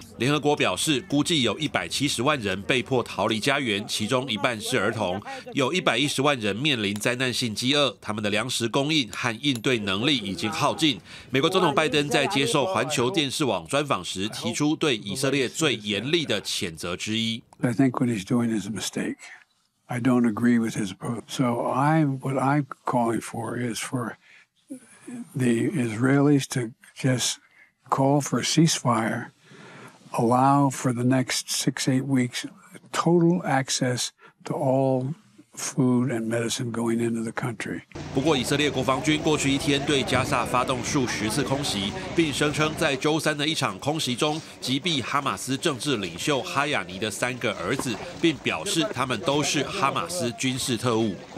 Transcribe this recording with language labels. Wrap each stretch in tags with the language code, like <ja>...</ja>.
<zh>联合国表示，估计有170万人被迫逃离家园，其中一半是儿童，有110万人面临灾难性饥饿，他们的粮食供应和应对能力已经耗尽。美国总统拜登在接受环球电视网专访时，提出对以色列最严厉的谴责之一。</zh> <en>I think what he's doing is a mistake. I don't agree with his approach. So what I'm calling for is for the Israelis to just call for a ceasefire, allow for the next 6-8 weeks total access to all food and medicine going into the country.</en> <zh>不过，以色列国防军过去一天对加萨发动数十次空袭，并声称在周三的一场空袭中击毙哈马斯政治领袖哈亚尼的三个儿子，并表示他们都是哈马斯军事特务。</zh>